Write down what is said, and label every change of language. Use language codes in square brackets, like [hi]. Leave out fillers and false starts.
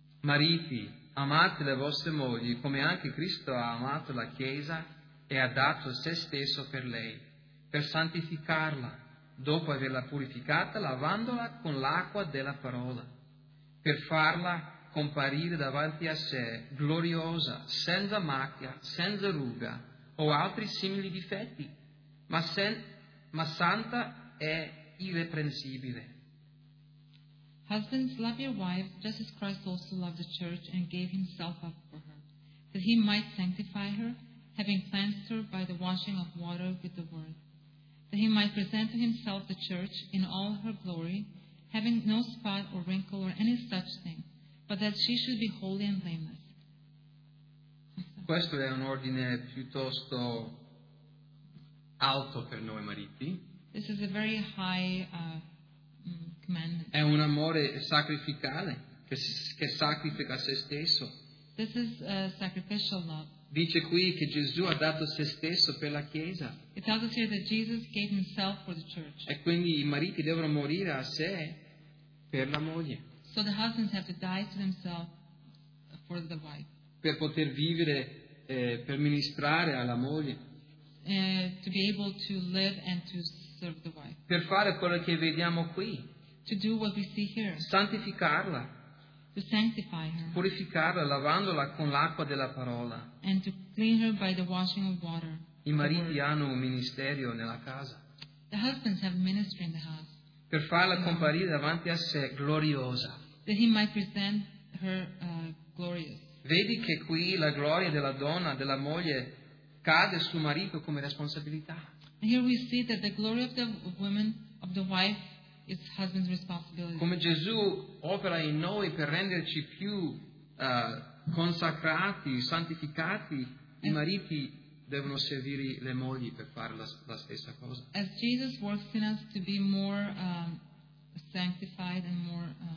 [it] Mariti, amate le vostre mogli come anche Cristo ha amato la Chiesa e ha dato se stesso per lei, per santificarla, dopo averla purificata lavandola con l'acqua della parola, per farla comparire davanti a sé gloriosa, senza macchia, senza ruga o altri simili difetti, ma santa e irreprensibile. [en] Husbands, love your wives just as Christ also loved the church and gave himself up for her, that he might sanctify her, having cleansed her by the washing of water with the word, that he might present to himself the church in all her glory, having no spot or wrinkle or any such thing, but that she should be holy and blameless. [it] Questo è un ordine piuttosto alto per noi mariti. [en] This is a very high commandment. [it] È un amore sacrificale che sacrifica se stesso. [en] This is a sacrificial love. [it] Dice qui che Gesù ha dato se stesso per la Chiesa. [en] It tells us here that Jesus gave himself for the church. [it] E quindi i mariti devono morire a sé per la moglie. [en] So the husbands have to die to themselves for the wife. [it] Per poter vivere, per ministrare alla moglie. [en] To be able to live and to serve the wife. [it] Per fare quello che vediamo qui. [en] To do what we see here. [it] Santificarla. [en] To sanctify her, [it] purificarla lavandola con l'acqua della parola, [en] and to clean her by the washing of water. [it] I mariti hanno un ministero nella casa. [en] The husbands have ministry in the house. [it] per farla comparire davanti a sé gloriosa. [en] That he might present her glorious. [it] Vedi che qui la gloria della donna, della moglie, cade sul marito come responsabilità. [en] Here we see that the glory of the woman, of the wife, is husband's responsibility. [it] Come Gesù opera in noi per renderci più consacrati, santificati, I mariti devono servire le mogli per fare la stessa cosa. [en] As Jesus works in us to be more sanctified and more